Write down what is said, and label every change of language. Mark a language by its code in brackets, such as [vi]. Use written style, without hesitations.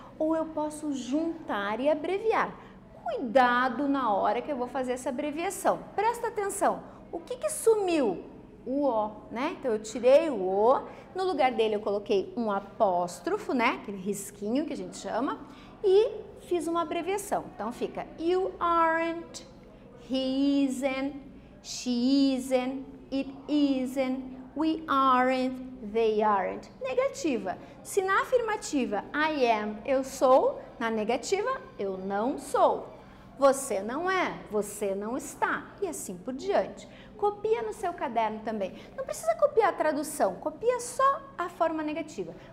[pt] Ou eu posso juntar e abreviar. Cuidado na hora que eu vou fazer essa abreviação. Presta atenção, o que que sumiu? O O, né? Então eu tirei o O, no lugar dele eu coloquei um apóstrofo, né? Aquele risquinho que a gente chama, e fiz uma abreviação. Então fica, [en] you aren't, he isn't, she isn't, it isn't. We aren't, they aren't. [pt] Negativa. Se na afirmativa, [en] I am, [pt] eu sou, na negativa, eu não sou. Você não é, você não está. E assim por diante. Copia no seu caderno também. Não precisa copiar a tradução, copia só a forma negativa.